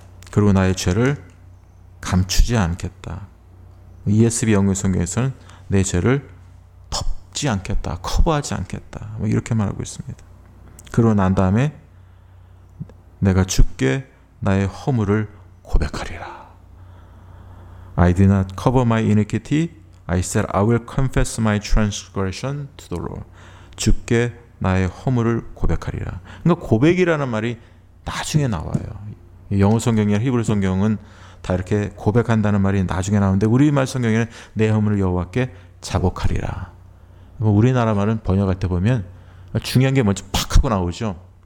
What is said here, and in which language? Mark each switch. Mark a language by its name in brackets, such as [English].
[Korean] 그리고 나의 죄를 감추지 않겠다. ESV 영어 성경에서는 내 죄를 덮지 않겠다. 커버하지 않겠다. 뭐 이렇게 말하고 있습니다. 그러고 난 다음에 내가 주께 나의 허물을 고백하리라. [English] I did not cover my iniquity. I said I will confess my transgression to the Lord. [Korean] 주께 나의 허물을 고백하리라. 그러니까 고백이라는 말이 나중에 나와요. 영어 성경이나 히브리 성경은 다 이렇게 고백한다는 말이 나중에 나오는데 우리말 성경에는 내 허물을 여호와께 자복하리라. 우리나라 말은 번역할 때 보면 중요한 게 먼저 팍 하고 나오죠.